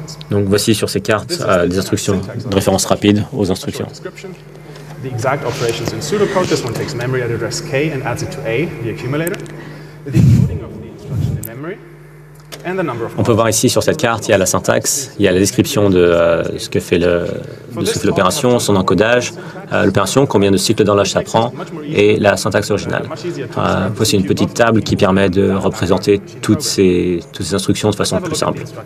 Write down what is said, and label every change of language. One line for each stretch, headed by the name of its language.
French: Donc voici sur ces cartes des instructions de référence rapide aux instructions.
English: The exact operations in pseudocode, this one takes memory at address K and adds it to A, the accumulator. The encoding of the instruction in memory.
French: On peut voir ici sur cette carte, il y a la syntaxe, il y a la description de ce que fait l'opération, son encodage, l'opération, combien de cycles d'horloge ça prend, et la syntaxe originale. Voici une petite table qui permet de représenter toutes ces instructions de façon plus simple.